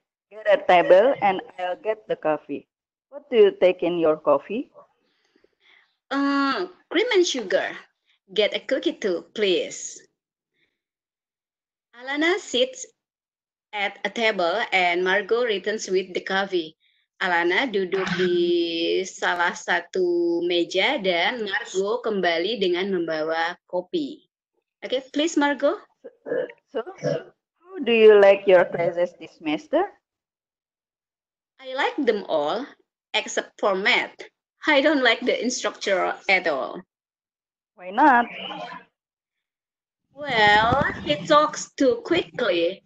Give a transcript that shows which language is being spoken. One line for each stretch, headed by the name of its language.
English: Get a table and I'll get the coffee. What do you take in your coffee? Cream and sugar. Get a cookie too, please. Alana sits at a table and Margo returns with the coffee.
Indonesian: Alana duduk di salah satu meja dan Margo kembali dengan membawa kopi.
English: Okay, please Margo. So, how do you like your classes this semester? I like them all, except for math. I don't like the instructor at all. Why not? Well, he talks too quickly.